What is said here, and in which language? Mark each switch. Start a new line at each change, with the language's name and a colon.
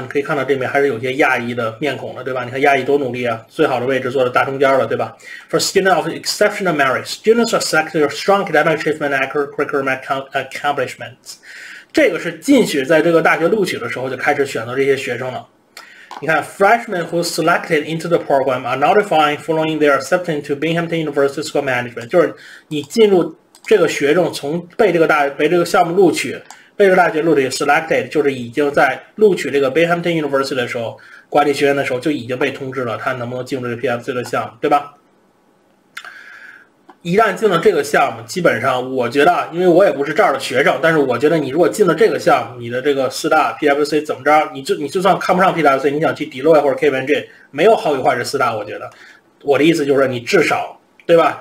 Chinese: 你可以看到这面还是有些亚裔的面孔的，对吧？你看亚裔多努力啊，最好的位置坐在大中间了，对吧 ？
English: For students of exceptional merit, students are selected for strong academic achievement and curriculum accomplishments。
Chinese: 这个是进去在这个大学录取的时候就开始选择这些学生了。你看
English: ，freshmen who selected into the program are notified following their acceptance to Binghamton University School of Management。
Chinese: 就是你进入这个学生从被这个项目录取。贝州大学录取 selected 就是已经在录取这个 Binghamton University 的时候，管理学院的时候就已经被通知了，他能不能进入这个 PWC 的项目，对吧？一旦进了这个项目，基本上我觉得，因为我也不是这儿的学生，但是我觉得你如果进了这个项目，你的这个四大 PWC 怎么着，你就算看不上 PWC， 你想去 Deloitte 或者 KPMG， 没有好与坏这四大，我觉得，我的意思就是你至少，对吧？